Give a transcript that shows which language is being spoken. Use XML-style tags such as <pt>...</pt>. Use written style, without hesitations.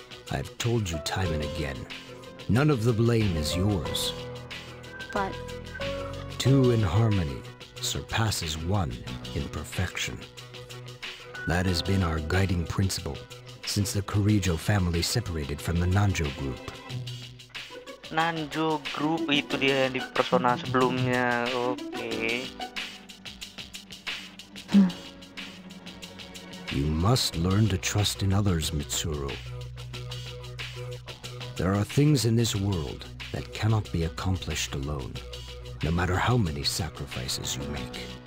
<en>I've told you time and again. None of the blame is yours. But... Two in harmony surpasses one in perfection. That has been our guiding principle. Since the Kurijo family separated from the Nanjo group.</en> <id>Nanjo group itu dia yang di persona sebelumnya.</id> <en>Okay. You must learn to trust in others, Mitsuru. There are things in this world that cannot be accomplished alone, no matter how many sacrifices you make.</en>